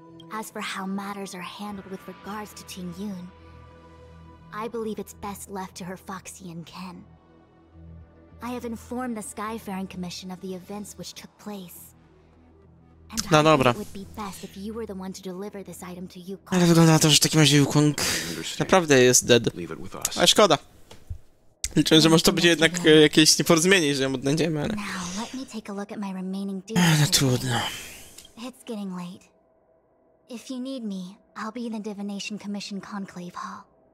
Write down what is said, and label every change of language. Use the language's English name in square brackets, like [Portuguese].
[English] As for how matters are handled with regards to Ting Yun, I believe it's best left to her Foxian kin. I have informed the Skyfaring Commission of the events which took place. And no, I think it would be best if you were the one to deliver this item to Yukong. [Polish] Ale wygląda na to, że w takim razie Yukong naprawdę jest dead. [English] Leave it with us. [Polish] A szkoda. Liczę, że może to będzie jednak jakieś nieporozumienie, że ją odnajdziemy, ale... No trudno. [English] It's getting late. If you need me, I'll be in the Divination Commission Conclave Hall.